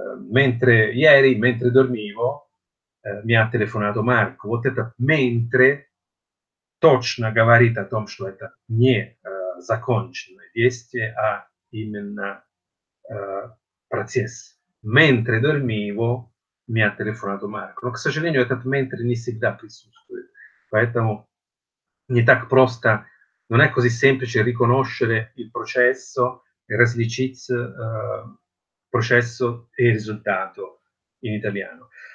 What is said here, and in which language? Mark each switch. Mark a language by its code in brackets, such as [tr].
[it] Mentre ieri, mentre dormivo, mi ha telefonato Marco. [ru] Вот это «mentre» точно говорит о том, что это не законченное действие, а именно процесс. [it] Mentre dormivo, mi ha telefonato Marco. [ru] Но, к сожалению, этот «mentre» не всегда присутствует. Поэтому не так просто, [it] non è così semplice riconoscere il processo e [ru] различить [it] processo e risultato in italiano.